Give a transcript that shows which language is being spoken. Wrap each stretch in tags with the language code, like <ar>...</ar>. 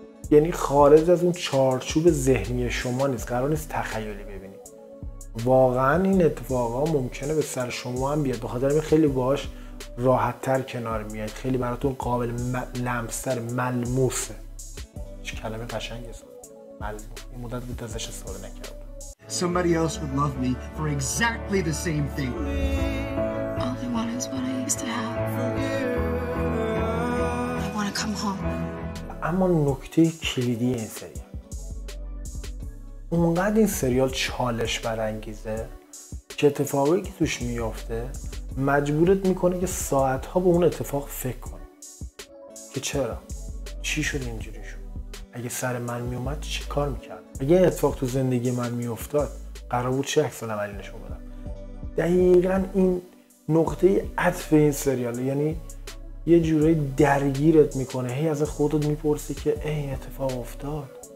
<fa>یعنی خارج از اون چارچوب ذهنی شما نیست، قرار نیست تخیلی ببینید. واقعا این اتفاقا ممکنه به سر شما هم بیاد، بخاطر همین خیلی باهاش راحت تر کنار میاد، خیلی براتون قابل لمستر، ملموسه. هیچ کلمه قشنگ است ملموس. این مدت بود ازش استفاده نکردم.</fa> <en>Somebody else would love me for exactly the same thing. All they want is what I used to have. I want to come home.</en> <fa>اما نکته کلیدی این سریال، اونقدر این سریال چالش برانگیزه که اتفاقی که توش میافته مجبورت میکنه که ساعتها به اون اتفاق فکر کنی که چرا؟ چی شد اینجوری شد؟ اگه سر من میومد چی کار میکرد؟ اگه این اتفاق تو زندگی من میافتاد قرار بود چه عکس العملی نشون بدم؟ دقیقا این نقطه عطف این سریاله، یعنی یه جوره درگیرت میکنه، هی از خودت میپرسی که این اتفاق افتاد؟</fa>